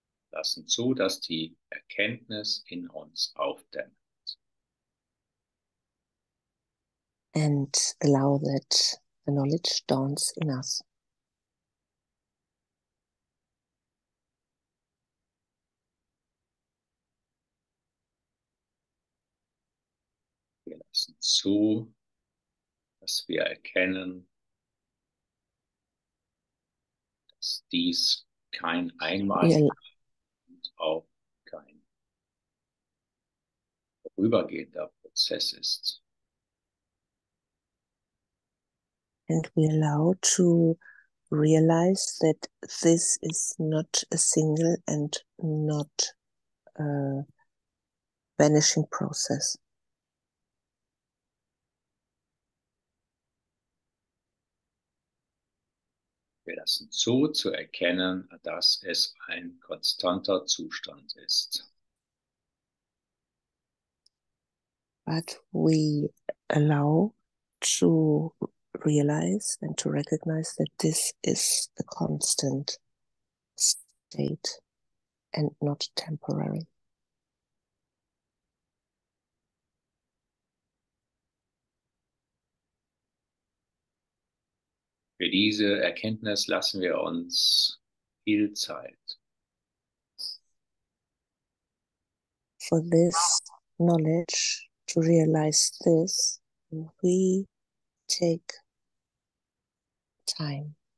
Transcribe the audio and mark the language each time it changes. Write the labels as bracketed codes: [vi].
[de] Lassen zu, dass die Erkenntnis in uns aufdämmt. [en] And allow that the knowledge dawns in us. [de] Wir lassen zu, dass wir erkennen, dass dies kein einmaliger auch kein vorübergehender Prozess ist. [en] And we allow to realize that this is not a single and not a vanishing process. [de] Wir lassen zu, zu erkennen, dass es ein konstanter Zustand ist. [en] But we allow to realize and to recognize that this is a constant state and not temporary. [de] Für diese Erkenntnis lassen wir uns viel Zeit. [en] For this knowledge, to realize this, we take time.